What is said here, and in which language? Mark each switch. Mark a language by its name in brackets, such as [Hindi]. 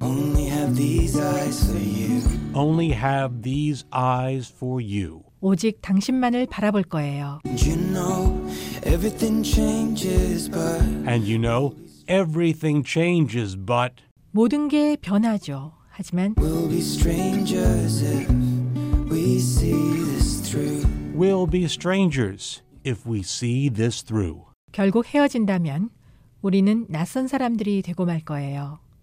[English] only have these eyes for you, only have these eyes for you, [Korean] 오직 당신만을 바라볼 거예요. [English] And you know everything changes but, and you know everything changes but, [Korean] 모든 게 변하죠. 하지만 [English] We'll be strangers if we see this through. We'll be strangers if we see this through. [Korean] 결국 헤어진다면 우리는 낯선 사람들이 되고 말 거예요.